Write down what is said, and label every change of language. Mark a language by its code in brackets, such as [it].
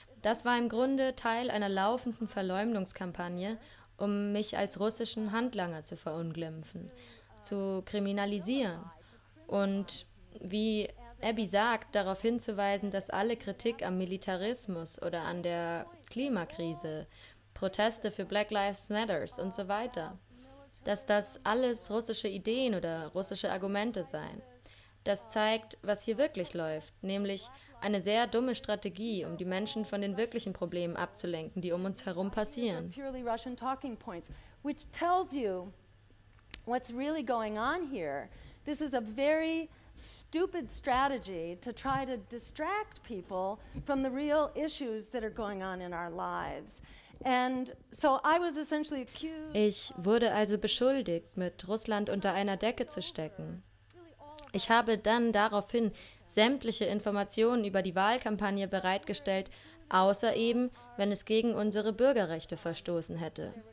[de] Das war im Grunde Teil einer laufenden Verleumdungskampagne, um mich als russischen Handlanger zu verunglimpfen, zu kriminalisieren und, wie Abby sagt, darauf hinzuweisen, dass alle Kritik am Militarismus oder an der Klimakrise, Proteste für Black Lives Matters und so weiter, dass das alles russische Ideen oder russische Argumente seien. Das zeigt, was hier wirklich läuft, nämlich eine sehr dumme Strategie, um die Menschen von den wirklichen Problemen abzulenken, die um uns herum passieren. [en] Purely Russian talking points, which tells you what's really going on here. This is a very stupid strategy to try to distract people from the real issues that are going on in our lives. And so I was essentially accused. [de] Ich wurde also beschuldigt, mit Russland unter einer Decke zu stecken. Ich habe dann daraufhin sämtliche Informationen über die Wahlkampagne bereitgestellt, außer eben, wenn es gegen unsere Bürgerrechte verstoßen hätte.